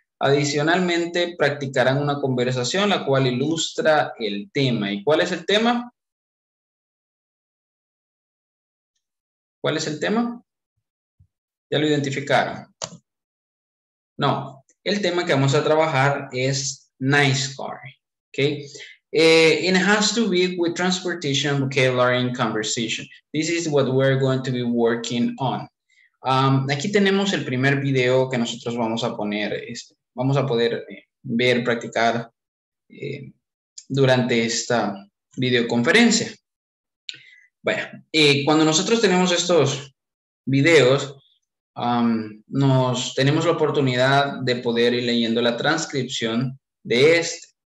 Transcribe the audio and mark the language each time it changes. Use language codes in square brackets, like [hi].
[es] Adicionalmente, practicarán una conversación la cual ilustra el tema. ¿Y cuál es el tema? ¿Cuál es el tema? ¿Ya lo identificaron? No, el tema que vamos a trabajar es nice car. ¿Ok? [en] It has to be with transportation vocabulary and conversation. This is what we're going to be working on. [es] Aquí tenemos el primer video que nosotros vamos a poner. Vamos a poder ver, practicar durante esta videoconferencia. Bueno, cuando nosotros tenemos estos videos, tenemos la oportunidad de poder ir leyendo la transcripción de este.